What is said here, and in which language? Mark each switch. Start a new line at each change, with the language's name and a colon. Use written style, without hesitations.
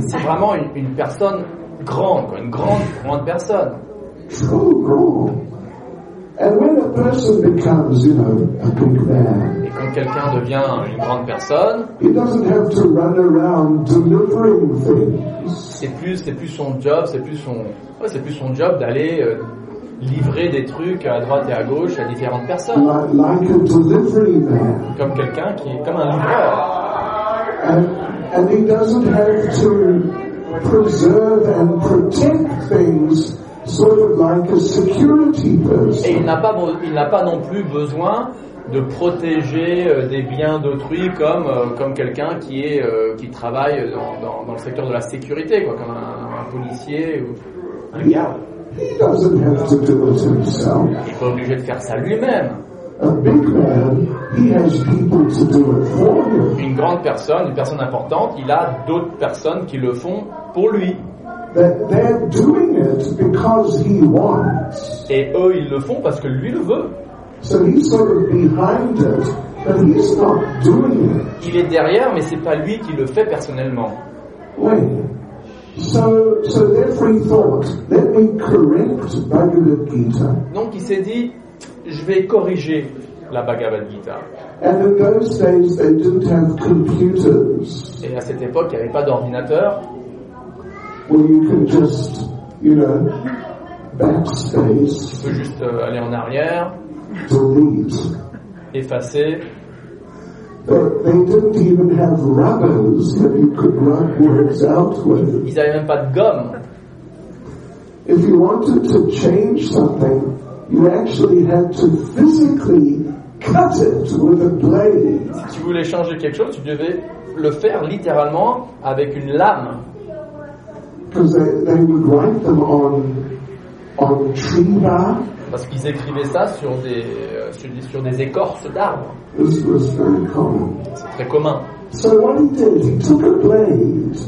French: C'est vraiment une personne grande, une grande personne.
English: True, true. And when a person becomes, you know, a big man,
French: et quand quelqu'un devient une grande personne,
English: he doesn't have to run around delivering things.
French: C'est plus son job, c'est plus son job d'aller livrer des trucs à droite et à gauche à différentes personnes.
English: Like a delivery man.
French: Comme quelqu'un qui est comme un livreur.
English: And he doesn't have to preserve and protect things sort of like a security person.
French: Et il n'a pas non plus besoin de protéger des biens d'autrui comme quelqu'un qui travaille dans le secteur de la sécurité, quoi, comme un policier ou un garde.
English: He doesn't have to do it himself.
French: Il n'est pas obligé de faire ça lui-même.
English: A big man, he has people to do it for him.
French: Une grande personne, une personne importante, il a d'autres personnes qui le font pour lui.
English: They're doing it because he wants.
French: Et eux, ils le font parce que lui le veut.
English: So he's sort of behind it, but he's not doing it.
French: Il est derrière, mais c'est pas lui qui le fait personnellement. Oui.
English: So therefore he thought, let me correct Bhagavad Gita.
French: Donc il s'est dit, je vais corriger la Bhagavad Gita.
English: And in those days, they didn't have computers.
French: Et à cette époque, il n'y avait pas d'ordinateur.
English: Well, you can just, you know, backspace.
French: Tu peux juste aller en arrière.
English: Delete.
French: Effacer.
English: But they didn't even have rubbers that you could write words out with.
French: Ils n'avaient même pas de gomme.
English: If you wanted to change something, you actually had to physically cut it with a blade.
French: Si tu voulais changer quelque chose, tu devais le faire littéralement avec une lame.
English: Because they would write them on tree bark.
French: Parce qu'ils écrivaient ça sur des écorces d'arbres.
English: This was very common.
French: C'est très commun.
English: So what he did, he took a blade.